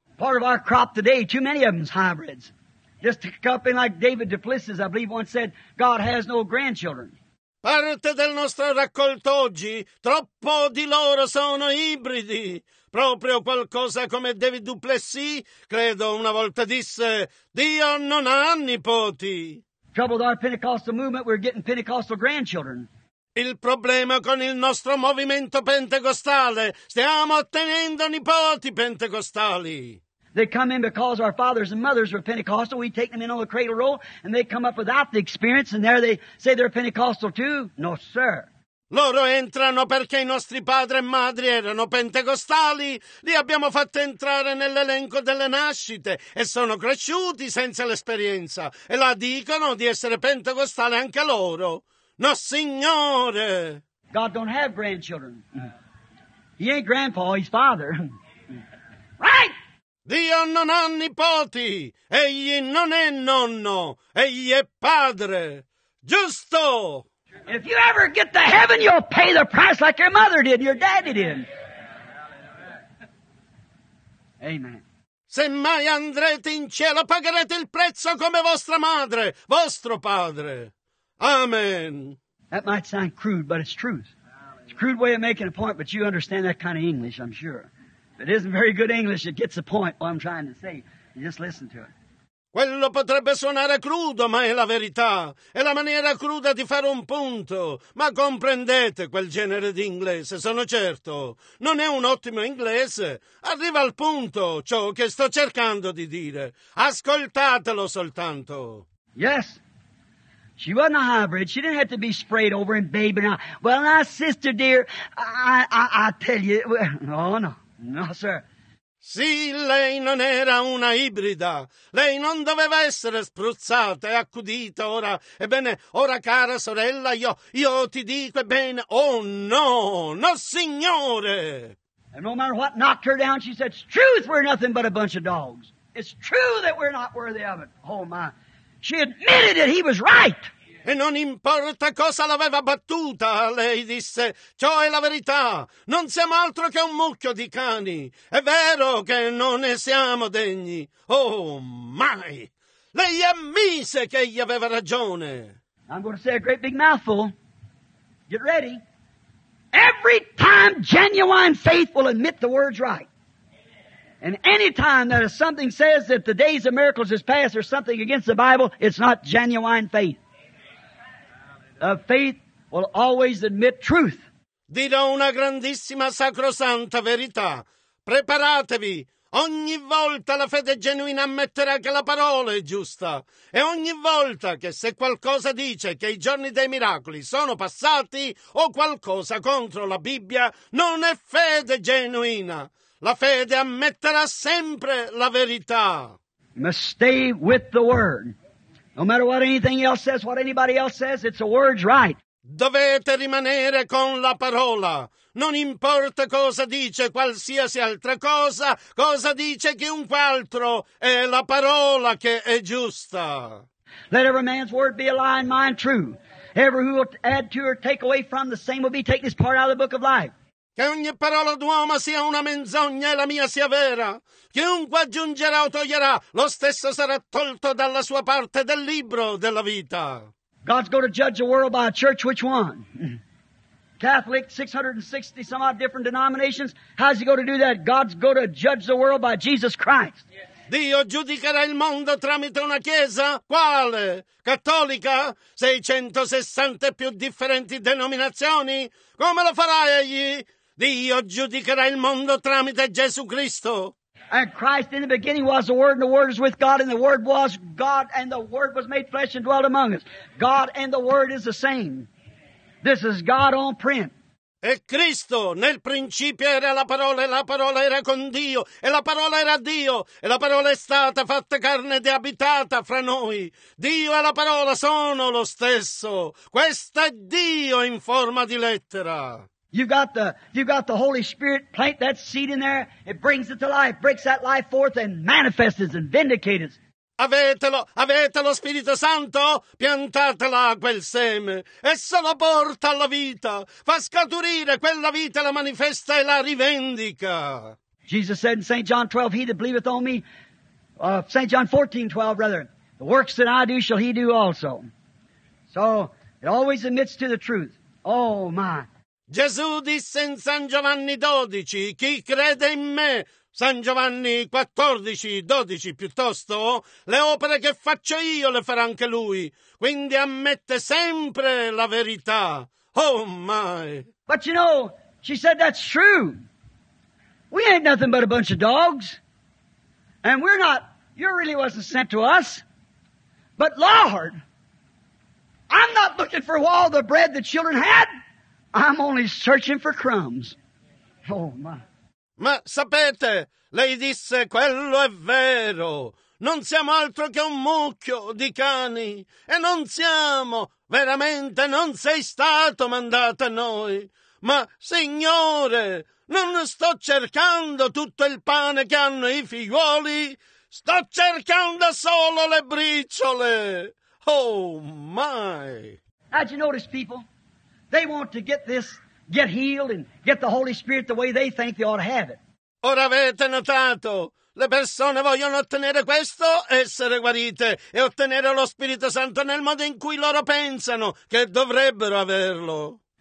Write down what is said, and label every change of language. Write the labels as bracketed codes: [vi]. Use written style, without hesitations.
[en] Part of our crop today, too many of them's hybrids. Just a couple like David Duplessis, I believe, once said, God has no grandchildren. [it] Parte del nostro raccolto oggi, troppo di loro sono ibridi. Proprio qualcosa come David Duplessis, credo, una volta disse, Dio non ha nipoti. [en] Trouble with our Pentecostal movement, we're getting Pentecostal grandchildren. [it] Il problema con il nostro movimento pentecostale, stiamo ottenendo nipoti pentecostali. [en] They come in because our fathers and mothers were Pentecostal. We take them in on the cradle roll, and they come up without the experience, and there they say they're Pentecostal too. No, sir. [it] Loro entrano perché i nostri padri e madri erano pentecostali. Li abbiamo fatti entrare nell'elenco delle nascite e sono cresciuti senza l'esperienza. E la dicono di essere pentecostale anche loro. No, signore! [en] God don't have grandchildren. He ain't grandpa, he's father. Right! [it] Dio non ha nipoti, egli non è nonno, egli è padre. Giusto! [en] If you ever get to heaven, you'll pay the price like your mother did, your daddy did. Amen. [it] Se mai andrete in cielo, pagherete il prezzo come vostra madre, vostro padre. Amen. [en] That might sound crude, but it's truth. It's a crude way of making a point, but you understand that kind of English, I'm sure. If it isn't very good English, it gets the point, what I'm trying to say. You just listen to it. [it] Quello potrebbe suonare crudo, ma è la verità. È la maniera cruda di fare un punto. Ma comprendete quel genere di inglese, sono certo. Non è un ottimo inglese. Arriva al punto, ciò che sto cercando di dire. Ascoltatelo soltanto. [en] Yes. She wasn't a hybrid. She didn't have to be sprayed over and babying. Well, now, sister dear, I tell you. No, no. No, sir. [it] Sì, lei non era una ibrida. Lei non doveva essere spruzzata e accudita ora. Ebbene, ora, cara sorella, io ti dico bene. Oh, no! No, signore! [en] And no matter what knocked her down, she said, it's truth, we're nothing but a bunch of dogs. It's true that we're not worthy of it. Oh, my. She admitted that he was right. [it] E non importa cosa l'aveva battuta, lei disse, ciò è la verità, non siamo altro che un mucchio di cani, è vero che non ne siamo degni, oh mai, lei ammise che egli aveva ragione. [en] I'm going to say a great big mouthful, get ready, every time genuine faith will admit the word's right. And any time that something says that the days of miracles is past or something against the Bible, it's not genuine faith. The faith will always admit truth. [it] Dirò una grandissima sacrosanta verità. Preparatevi. Ogni volta la fede genuina ammetterà che la parola è giusta. E ogni volta che se qualcosa dice che i giorni dei miracoli sono passati o qualcosa contro la Bibbia, non è fede genuina. La fede ammetterà sempre la verità. [en] You must stay with the word. No matter what anything else says, what anybody else says, it's the word's right. [it] Dovete rimanere con la parola. Non importa cosa dice qualsiasi altra cosa, cosa dice chiunque altro, è la parola che è giusta. [en] Let every man's word be a lie and mine true. Every who will add to or take away from the same will be taken as part out of the book of life. [it] Che ogni parola d'uomo sia una menzogna e la mia sia vera. Chiunque aggiungerà o toglierà, lo stesso sarà tolto dalla sua parte del libro della vita. [en] God's going to judge the world by a church which one? Catholic, 660 some odd different denominations. How's he going to do that? God's going to judge the world by Jesus Christ. [it] Dio giudicherà il mondo tramite una chiesa? Quale? Cattolica? 660 più differenti denominazioni? Come lo farà egli? Dio giudicherà il mondo tramite Gesù Cristo. [en] And Christ in the beginning was the Word, and the Word is with God, and the Word was God, and the Word was made flesh and dwelt among us. God and the Word is the same. This is God on print. [it] E Cristo nel principio era la parola, e la parola era con Dio, e la parola era Dio, e la parola è stata fatta carne ed è abitata fra noi. Dio e la parola sono lo stesso. Questo è Dio in forma di lettera. [en] You got the Holy Spirit, plant that seed in there, it brings it to life, breaks that life forth and manifests and vindicates. [it] Avete lo Spirito Santo? Piantate là quel seme. Esso lo porta alla vita, fa scaturire quella vita, la manifesta e la rivendica. [en] Jesus said in St. John 12, he that believeth on me, St. John 14, 12, rather, the works that I do shall he do also. So, it always admits to the truth. Oh, my. [it] Gesù disse in San Giovanni 12, chi crede in me, San Giovanni 14, 12 piuttosto, le opere che faccio io le farà anche lui, quindi ammette sempre la verità. [en] Oh my! But you know, she said that's true. We ain't nothing but a bunch of dogs. And we're not, you really wasn't sent to us. But Lord, I'm not looking for all the bread the children had. I'm only searching for crumbs. Oh, my. [it] Ma sapete, lei disse, quello è vero. Non siamo altro che un mucchio di cani. E non siamo, veramente, non sei stato mandato a noi. Ma, Signore, non sto cercando tutto il pane che hanno i figlioli. Sto cercando solo le briciole. [en] Oh, my. Had you noticed, people? They want to get this, get healed and get the Holy Spirit the way they think they ought to have it. [it] Ora avete notato, le persone vogliono ottenere questo, essere guarite e ottenere lo Spirito Santo nel modo in cui loro pensano che dovrebbero averlo.